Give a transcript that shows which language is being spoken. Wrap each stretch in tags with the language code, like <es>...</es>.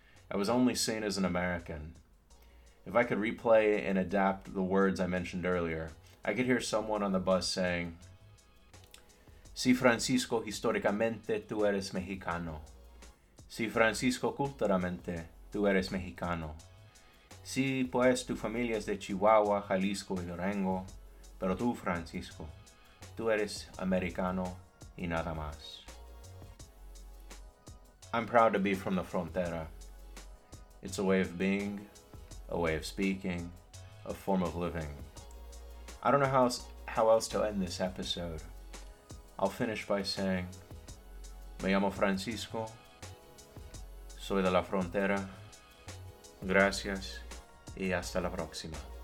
<en>I was only seen as an American. If I could replay and adapt the words I mentioned earlier, I could hear someone on the bus saying,</en> <es>"Si Francisco, históricamente, tú eres mexicano. Si Francisco, culturalmente, tú eres mexicano. Si, pues, tu familia es de Chihuahua, Jalisco y Durango. Pero tú, Francisco, tú eres americano y nada más."</es> <en>I'm proud to be from the Frontera. It's a way of being, a way of speaking, a form of living. I don't know how else to end this episode. I'll finish by saying,</en> <es>me llamo Francisco, soy de la Frontera, gracias y hasta la próxima.</es>